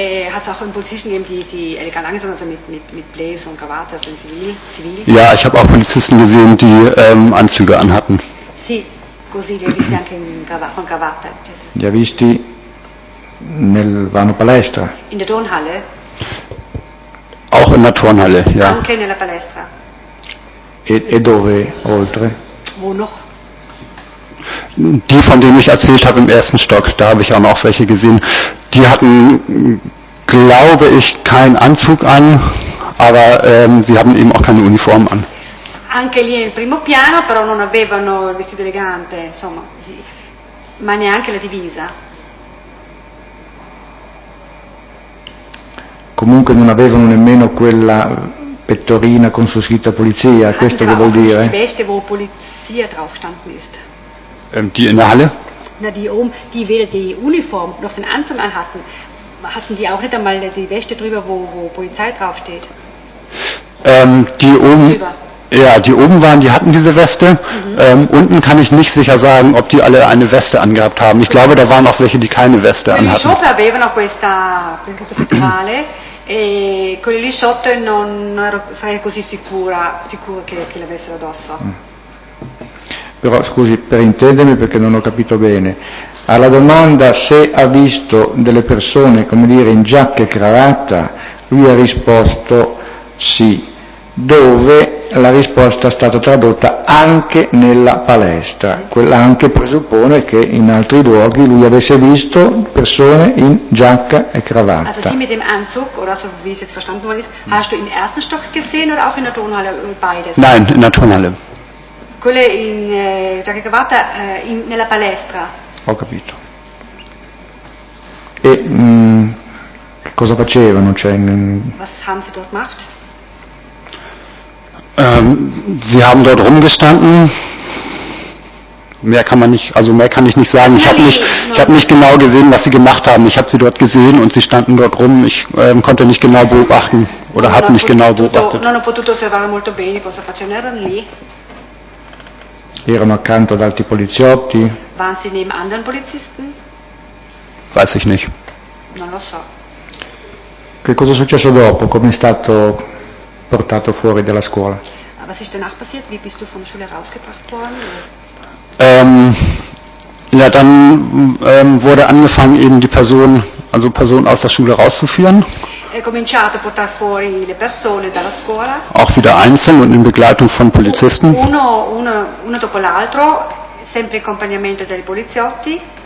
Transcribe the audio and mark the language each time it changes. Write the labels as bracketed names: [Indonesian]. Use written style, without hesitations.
[German] Hat es auch einen Polizisten gegeben, die elegant angezogen sind, also mit Blazer und Krawatte, also zivil? Ja, ich habe auch Polizisten gesehen, die Anzüge anhatten. [Italian] Sì, così li ho visti anche con cravatta, eccetera. Li ha visti nel vano palestra? [German] In der Turnhalle? Auch in der Turnhalle, ja. [Italian] Anche nella palestra. E dove oltre? [German] Wo noch? Die, von denen ich erzählt habe, im ersten Stock, da habe ich auch noch welche gesehen. Die hatten, glaube ich, keinen Anzug an, aber sie haben eben auch keine Uniform an. [Italian] Anche lì nel primo piano, però non avevano il vestito elegante, insomma, ma neanche la divisa. Comunque non avevano nemmeno quella pettorina con su scritta polizia, questo che vuol dire? Anche se avevano questi vesti dove polizia [German] draufstanden ist. Die in der Halle? Na, die oben, die weder die Uniform noch den Anzug anhatten, hatten die auch nicht einmal die Wäsche drüber, wo Polizei draufsteht? Die oben, drüber. Ja, die oben waren, die hatten diese Weste. Mhm. Unten kann ich nicht sicher sagen, ob die alle eine Weste angehabt haben. Ich glaube, da waren auch welche, die keine Weste anhatten. [Italian] Quelli sotto avevano questo pettorale, e quelli lì sotto non ero così sicura che l'avessero addosso. Però scusi, per intendermi perché non ho capito bene, alla domanda se ha visto delle persone, come dire, in giacca e cravatta, lui ha risposto sì, dove la risposta è stata tradotta anche nella palestra, quella anche presuppone che in altri luoghi lui avesse visto persone in giacca e cravatta. [German] Also die mit dem Anzug, oder so wie es jetzt verstanden worden ist, hast du im ersten Stock gesehen oder auch in der Turnhalle, beides? Nein, in der Turnhalle. [Italian] Quelle in giacca e cravatta nella palestra. Ho capito. E cosa facevano? Cioè, [German] Was haben sie dort gemacht? Sie haben dort rumgestanden. Mehr kann man nicht, also mehr kann ich nicht sagen. Ich habe nicht, genau gesehen, was sie gemacht haben. Ich habe sie dort gesehen und sie standen dort rum. Ich konnte nicht genau beobachten oder habe nicht genau beobachtet. [Italian] Non ho potuto osservare molto bene cosa facevano. Erano lì. Erano accanto ad altri poliziotti. [German] Waren sie neben anderen Polizisten? Weiß ich nicht. [Italian] Non lo so. Che cosa è successo dopo? Come è stato portato fuori dalla scuola? [German] Was ist danach passiert? Wie bist du von der Schule rausgebracht worden? Ja, dann wurde angefangen, eben die Person, also Personen aus der Schule rauszuführen. [Italian] È cominciato a portare fuori le persone dalla scuola. [German] Auch wieder einzeln und in Begleitung von Polizisten. [Italian] Uno dopo l'altro, sempre in accompagnamento dei poliziotti.